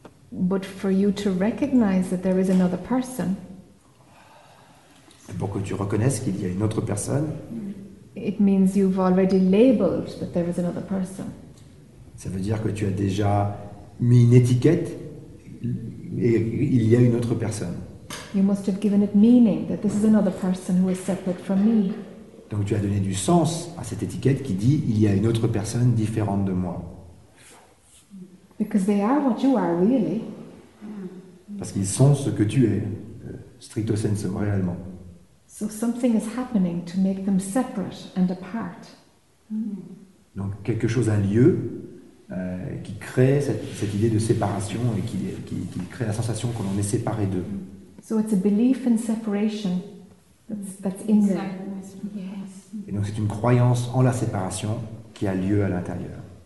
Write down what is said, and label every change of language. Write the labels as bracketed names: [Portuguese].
[English] But for you to recognize that there is another person. [French] Pour que tu reconnaisses qu'il y a une autre personne. [English] It means you've already labeled that there is another person. [French] Ça veut dire que tu as déjà mis une étiquette et il y a une autre personne. [English] You must have given it meaning that this is another person who is separate from me. [French] Donc tu as donné du sens à cette étiquette qui dit il y a une autre personne différente de moi. [English] Because they are what you are really. [French] Parce qu'ils sont ce que tu es. stricto senso, réellement. [English] So something is happening to make them separate and apart. [French] Donc quelque chose a lieu qui crée cette idée de séparation et qui crée la sensation que l'on est séparé d'eux. [English] So it's a belief in separation that's in there. [French] Et donc c'est une croyance en la séparation qui a lieu à l'intérieur.